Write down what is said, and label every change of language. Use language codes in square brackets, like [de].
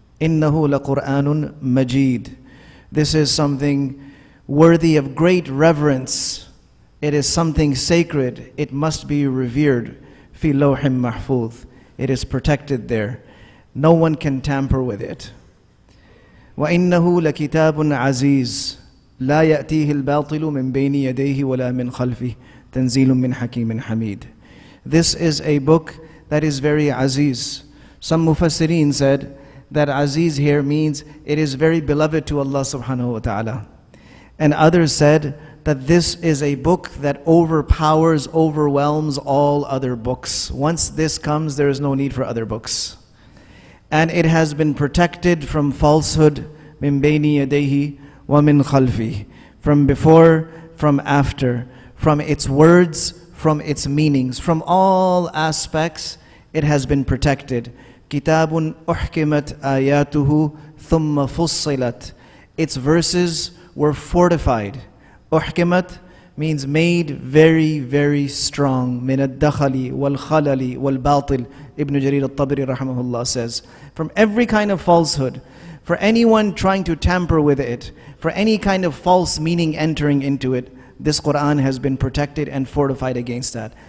[ar] إِنَّهُ لَقُرْآنٌ مَجِيدٌ, [en] this is something worthy of great reverence. It is something sacred. It must be revered. [ar] فِي لَوْحٍ مَحْفُوظٍ, [en] it is protected there. No one can tamper with it. [ar] وَإِنَّهُ لَكِتَابٌ عَزِيزٌ لَا يَأْتِيهِ الْبَاطِلُ مِنْ بَيْنِ يَدَيْهِ وَلَا مِنْ خَلْفِهِ تَنْزِيلٌ مِنْ حَكِيمٍ حَمِيدٍ, [en] this is a book that is very aziz. Some mufassirin said that aziz here means it is very beloved to Allah subhanahu wa ta'ala. And others said that this is a book that overpowers, overwhelms all other books. Once this comes, there is no need for other books. And it has been protected from falsehood, [ar] مِنْ بَيْنِ يَدَيْهِ وَمِنْ خَلْفِهِ, [en] from before, from after, from its words, from its meanings, from all aspects, it has been protected. [ar] كِتَابٌ أُحْكِمَتْ آيَاتُهُ ثُمَّ فُصِّلَتْ, [en] its verses were fortified. أُحْكِمَتْ means made very, very strong. [ar] مِنَ الدَّخَلِ وَالْخَلَلِ وَالْبَاطِلِ, [en] Ibn Jarir al-Tabri rahimahullah says, from every kind of falsehood, for anyone trying to tamper with it, for any kind of false meaning entering into it, this Qur'an has been protected and fortified against that.